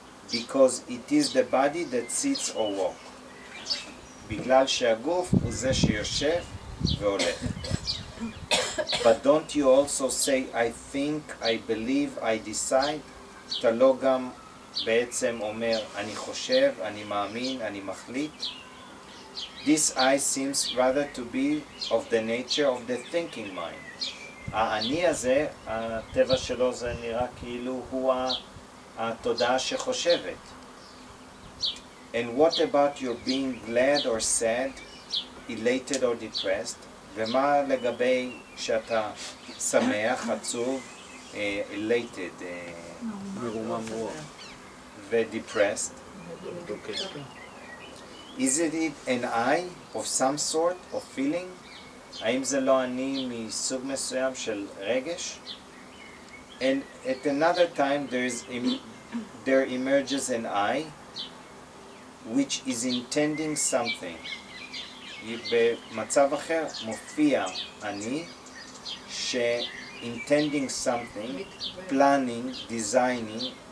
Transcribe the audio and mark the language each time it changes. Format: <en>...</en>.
<en>Because it is the body that sits or walks.</en> <he>בגלל שהגוף הוא זה שיושב והולך.</he> <en>But don't you also say, I think, I believe, I decide?</en> <he>אתה לא גם בעצם אומר, אני חושב, אני מאמין, אני מחליט.</he> <en>This I seems rather to be of the nature of the thinking mind.</en> <he>האני הזה, הטבע שלו זה נראה כאילו הוא התודעה שחושבת.</he> <en>And what about your being glad or sad, elated or depressed?</en> <he>ומה לגבי שאתה שמח, עצוב,</he> <en>elated,</en> <he>מרומם רוח,</he> <en>ודepressed? Is it an I of some sort of feeling?</en> <he>האם זה לא אני מסוג מסוים של רגש?</he> <en>And at another time there emerges an I which is intending something.</en> <he>במצב אחר מופיע אני ש</he> <en>intending something, planning, designing.</en>